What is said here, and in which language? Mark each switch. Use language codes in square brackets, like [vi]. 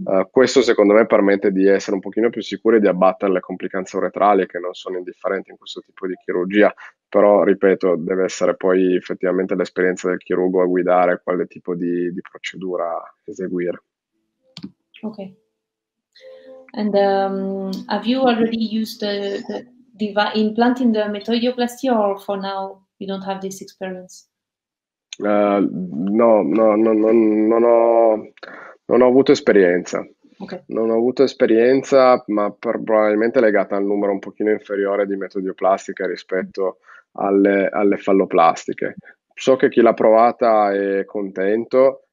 [it] Questo secondo me permette di essere un pochino più sicuri e di abbattere le complicanze uretrali che non sono indifferenti in questo tipo di chirurgia, però ripeto, deve essere poi effettivamente l'esperienza del chirurgo a guidare quale tipo di procedura eseguire. [en] Okay. And have you already used the device implanting the metoidioplasty, or for now you don't have this experience? [it] Non ho avuto esperienza, ma probabilmente legata al numero un pochino inferiore di metodioplastica rispetto alle falloplastiche. So che chi l'ha provata è contento,